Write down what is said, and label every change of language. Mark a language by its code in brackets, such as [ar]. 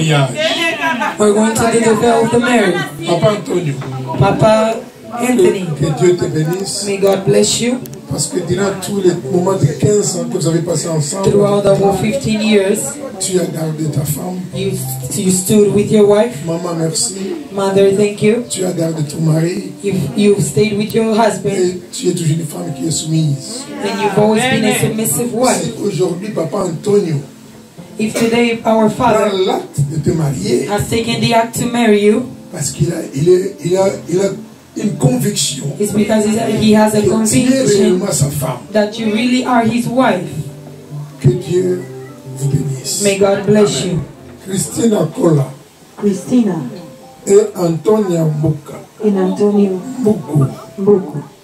[en] We're going to do the veil of the marriage. Papa Antonio. Papa Anthony, [fr] que Dieu te bénisse. [en] May God bless you. [fr] Parce que durant tous les moments de 15 ans que vous avez passé ensemble, [en] throughout our 15 years, [fr] tu as gardé ta femme. [en] You stood with your wife. [fr] Maman, merci. [en] Mother, thank you. [fr] Tu as gardé ton mari. [en] You stayed with your husband. [fr] Et tu es toujours une femme qui est soumise. [en] And you've always been a submissive wife. [fr] Si aujourd'hui, Papa Antonio, [en] if today our father [fr] prend l'acte de te marier, [en] has taken the act to marry you, [fr] parce qu'il a, il est, il a, il a une conviction. [en] It's because he has a conviction that you really are his wife. [fr] Que Dieu vous bénisse. [en] May God bless Amen. You. Christina Kola. Christina. [fr] Et Antonia Mbuka. [en] And Antonio Mbuku. Mbuku.